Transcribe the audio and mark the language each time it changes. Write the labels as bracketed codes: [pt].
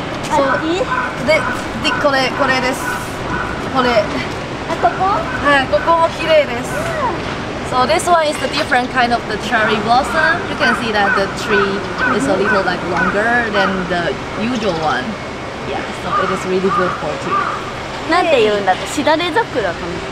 [ja] そうで、で、これ、これですこれあ、ここはい、ここも綺麗です、yeah. [en] So this one is the different kind of the cherry blossom. You can see that the tree is a little like longer than the usual one. Yeah, so it is really good for tree. [ja] なんて言うんだって、しだれ桜かも